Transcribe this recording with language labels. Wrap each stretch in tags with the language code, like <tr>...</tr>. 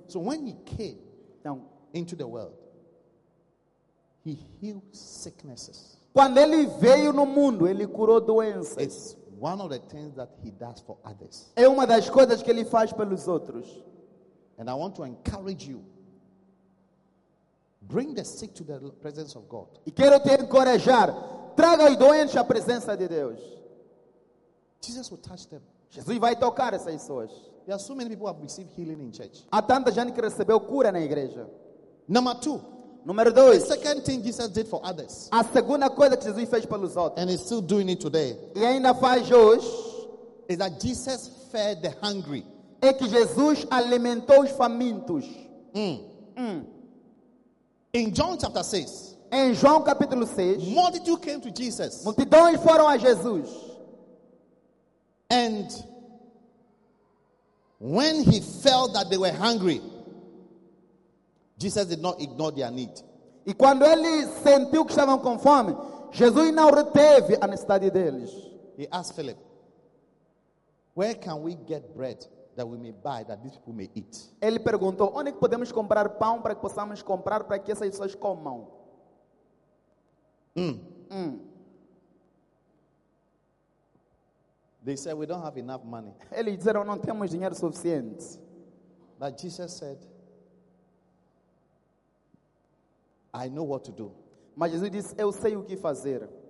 <en>So when he came into the world, he healed sicknesses.</en> <pt>Quando ele veio no mundo, ele curou doenças.</pt> <en>It's one of the things that he does for others.</en> <pt>É uma das coisas que ele faz pelos outros.</pt> <en>And I want to encourage you. Bring the sick to the presence of God.</en> <pt>E quero te encorajar. Traga os doentes à presença de Deus.</pt> <en>Jesus will touch them.</en> <pt>Jesus vai tocar essas pessoas.</pt> <en>There are so many people who have received healing in church.</en> <pt>Há tanta gente que recebeu cura na igreja.</pt> <en>Number two.</en> <pt>Número dois.</pt> <en>The second thing Jesus did for others.</en> <pt>A segunda coisa que Jesus fez pelos outros.</pt> <en>And he's still doing it today.</en> <pt>E ainda faz hoje.</pt> <en>Is that Jesus fed the hungry.</en> <pt>É que Jesus alimentou os famintos.</pt> <en>In John chapter 6.</en> <pt>Em João capítulo 6.</pt> <en>Multitude came to Jesus.</en> <pt>Multidões foram a Jesus.</pt> <en>And when he felt that they were hungry, Jesus did not ignore their need.</en> <pt>E quando ele sentiu que estavam com fome, Jesus não reteve a necessidade deles.</pt> <en>He asked Philip, "Where can we get bread that we may buy that these people may eat?"</en> <pt>Ele perguntou, "Onde que podemos comprar pão para que possamos comprar para que essas pessoas comam?"</pt> <en>They said, "We don't have enough money."</en> <pt>Eles disseram, "Não temos dinheiro suficiente."</pt> <en>But Jesus said, "I know what to do."</en> <pt>Mas Jesus disse, "Eu sei o que fazer."</pt>